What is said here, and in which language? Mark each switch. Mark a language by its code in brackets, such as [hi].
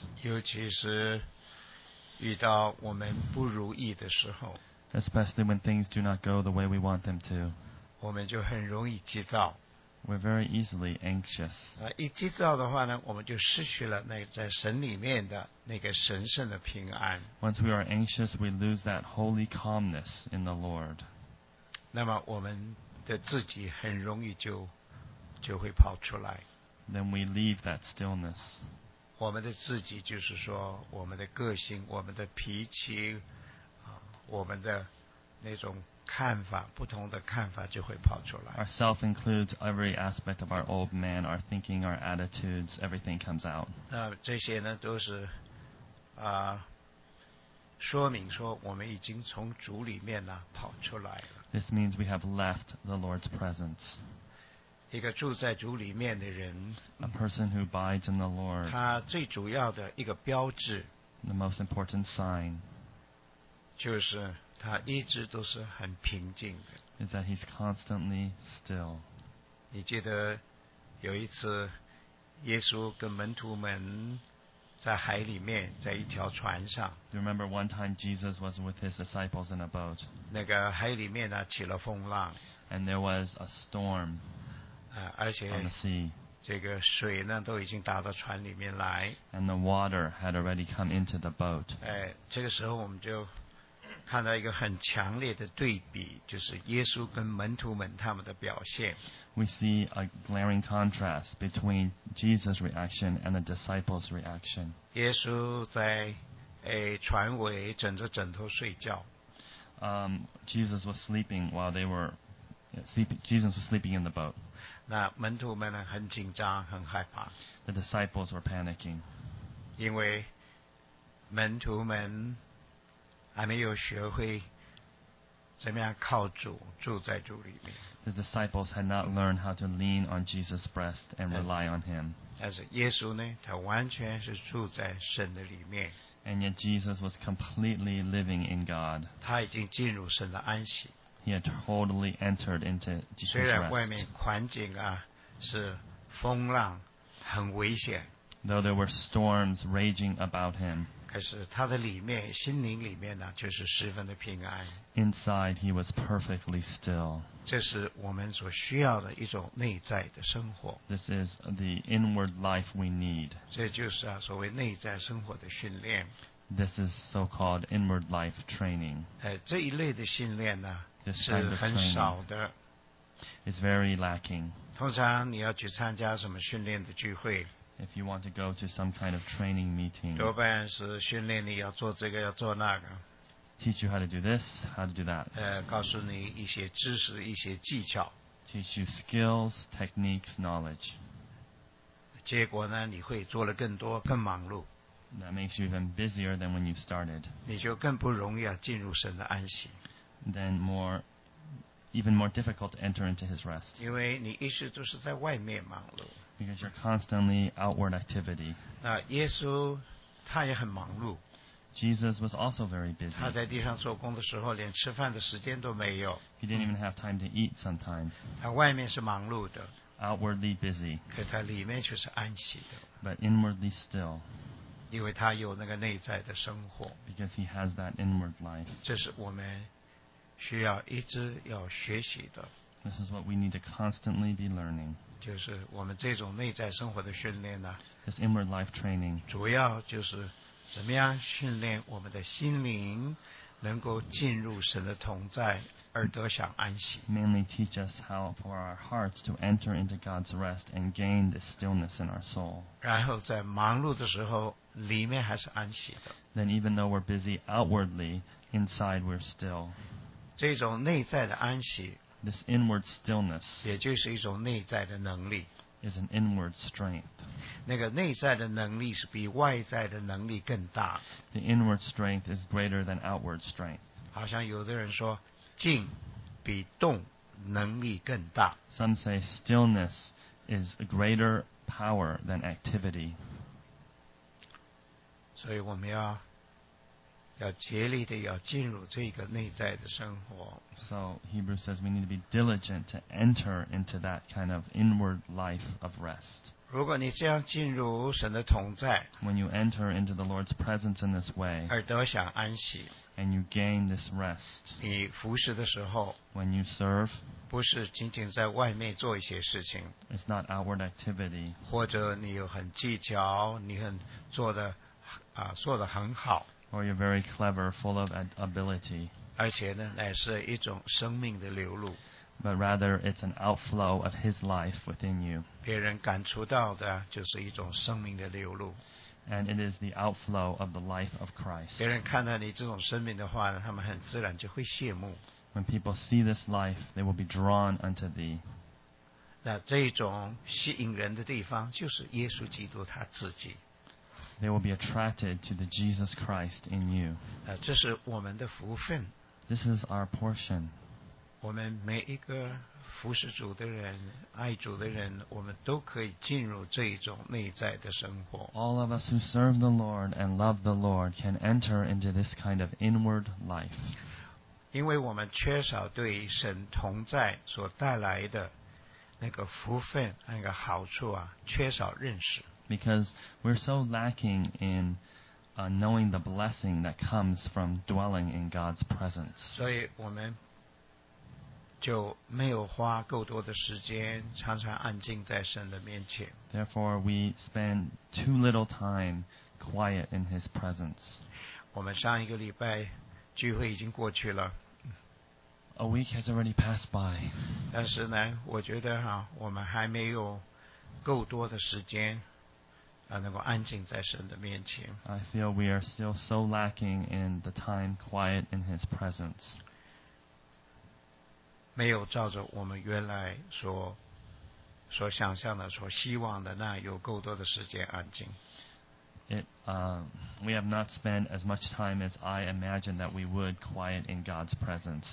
[zh] 尤其是遇到我们不如意的时候。 [en] Especially when things do not go the way we want them to. [zh] 我们就很容易急躁。 [en] We're very easily anxious. [zh] 一急躁的话呢，我们就失去了那个在神里面的那个神圣的平安。 [en] Once we are anxious, we lose that holy calmness in the Lord. [zh] 那么我们的自己很容易就会跑出来。 [en] Then we leave that stillness. [zh] 我们的自己就是说，我们的个性，我们的脾气，我们的那种看法，不同的看法就会跑出来。 [en] Our self includes every aspect of our old man, our thinking, our attitudes, everything comes out. [zh] 那这些呢，都是说明说我们已经从主里面呢跑出来了。 [en] This means we have left the Lord's presence. [zh] 一个住在主里面的人， [en] A person who abides in the Lord, [zh] 他最主要的一个标志， [en] The most important sign, [zh] 就是他一直都是很平静的。 [en] Is that he's constantly still. [zh] 你记得有一次耶稣跟门徒们在海里面，在一条船上。 [en] You remember one time Jesus was with his disciples in a boat. [zh] 那个海里面呢，起了风浪。 [en] And there was a storm. [zh] 而且 [en] on the sea. [zh] 这个水呢，都已经打到船里面来。 [en] And the water had already come into the boat. [zh] 这个时候我们就看到一个很强烈的对比，就是耶稣跟门徒们他们的表现。 [en] We see a glaring contrast between Jesus' reaction and the disciples' reaction. [zh] 耶稣在船尾枕着枕头睡觉。 [en] Jesus was sleeping while they were sleeping. Jesus was sleeping in the boat. [zh] 那门徒们呢，很紧张，很害怕。 [en] The disciples were panicking. [zh] 因为门徒们还没有学会怎么样靠主，住在主里面。 [en] The disciples had not learned how to lean on Jesus' breast and rely on him. [zh] 但是耶稣呢，他完全是住在神的里面。 [en] And yet Jesus was completely living in God. [zh] 他已经进入神的安息。 [en] He had totally entered into Jesus' rest. [zh] 虽然外面环境啊是风浪，很危险。 [en] Though there were storms raging about him. [zh] 可是他的里面，心灵里面呢，就是十分的平安。 [en] Inside, he was perfectly still. [zh] 这是我们所需要的一种内在的生活。 [en] This is the inward life we need. [zh] 这就是啊，所谓内在生活的训练。 [en] This is so-called inward life training. [zh] 这一类的训练呢 [en] this kind of training [zh] 是很少的。 [en] It's very lacking. [zh] 通常你要去参加什么训练的聚会。 [en] If you want to go to some kind of training meeting. [zh] 多半是训练你要做这个要做那个。 [en] Teach you how to do this, how to do that. [zh] 告诉你一些知识一些技巧。 [en] Teach you skills, techniques, knowledge. [zh] 结果呢你会做了更多更忙碌。 [en] That makes you even busier than when you started. [zh] 你就更不容易啊进入神的安息。 [en] Then even more difficult to enter into his rest. [zh] 因为你一直都是在外面忙碌。 [en] Because you're constantly outward activity. [zh] 那耶稣他也很忙碌。 [en] Jesus was also very busy. [zh] 他在地上做工的时候连吃饭的时间都没有。 [en] He didn't even have time to eat sometimes. [zh] 他外面是忙碌的。 [en] Outwardly busy. [zh] 可他里面却是安息的。 [en] But inwardly still. [zh] 因为他有那个内在的生活 [en] Because he has that inward life. [zh] 这是我们需要一直要学习的 [en] This is what we need to constantly be learning. [zh] 就是我们这种内在生活的训练呢 [en] This inward life training. [zh] 主要就是怎么样训练我们的心灵能够进入神的同在而得享安息 [en] Mainly teach us how for our hearts to enter into God's rest and gain the stillness in our soul. [zh] 然后在忙碌的时候里面还是安息的。 [en] Then even though we're busy outwardly, inside we're still. [zh] 这种内在的安息 [en] This inward stillness [zh] 也就是一种内在的能力 [en] is an inward strength. [zh] 那个内在的能力是比外在的能力更大。 [en] The inward strength is greater than outward strength. [zh] 好像有的人说静比动能力更大。 [en] Some say stillness is a greater power than activity. [zh] 所以我们要竭力的要进入这个内在的生活。 [en] So Hebrews says we need to be diligent to enter into that kind of inward life of rest. [zh] 如果你这样进入神的同在 [en] ，When you enter into the Lord's presence in this way， [zh] 而得享安息 [en] ，And you gain this rest， [zh] 你服侍的时候 [en] ，When you serve， [zh] 不是仅仅在外面做一些事情 [en] ，It's not outward activity， [zh] 或者你有很技巧，你很做的。做得很好 [en] or you're very clever, full of ability. [zh] 而且呢，乃是一种生命的流露。 [en] But rather, it's an outflow of His life within you. [zh] 别人感触到的就是一种生命的流露。 [en] And it is the outflow of the life of Christ. [zh] 别人看到你这种生命的话呢，他们很自然就会羡慕。 [en] When people see this life, they will be drawn unto thee. [zh] 那这种吸引人的地方就是耶稣基督他自己。 [en] They will be attracted to the Jesus Christ in you. [zh] 这是我们的福分。 [en] This is our portion. [zh] 我们每一个服侍主的人、爱主的人，我们都可以进入这一种内在的生活。 [en] All of us who serve the Lord and love the Lord can enter into this kind of inward life. [zh] 因为我们缺少对神同在所带来的那个福分、那个好处啊，缺少认识。 [en] Because we're so lacking in knowing the blessing that comes from dwelling in God's presence. [zh] 所以我们就没有花够多的时间常常安静在神的面前。 [en] Therefore, we spend too little time quiet in His presence. [zh] 我们上一个礼拜聚会已经过去了。 [en] A week has already passed by. [zh] 但是呢，我觉得哈，我们还没有够多的时间。能够安静在神的面前。 [en] I feel we are still so lacking in the time quiet in His presence. [zh] 没有照着我们原来所想象的、所希望的那有够多的时间安静。 [en] We have not spent as much time as I imagined that we would quiet in God's presence.